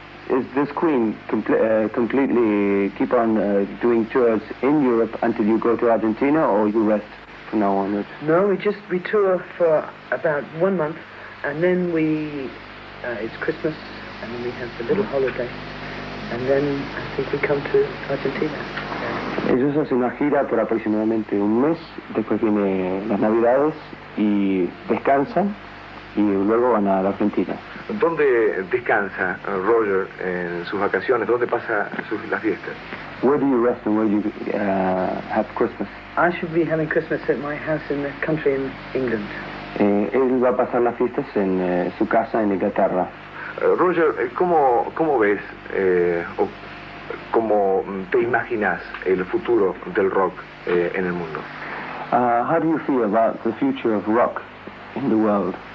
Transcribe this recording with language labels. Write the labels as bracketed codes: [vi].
[en] Is this Queen completely keep on doing tours in Europe until you go to Argentina, or you rest from now on? No, we tour for about 1 month, and then it's Christmas, and then we have a little holiday, and then I think we come to Argentina. [es] Ellos hacen una gira por aproximadamente un mes, después viene las Navidades y descansan, y luego van a la Argentina. ¿Dónde descansa Roger en sus vacaciones? ¿Dónde pasa las fiestas? [en] Where do you rest and where do you have Christmas? I should be having Christmas at my house in the country in England. [es] Él va a pasar las fiestas en su casa en Inglaterra. Roger, ¿cómo ves o cómo te imaginas el futuro del rock en el mundo? [en] How do you feel about the future of rock in the world?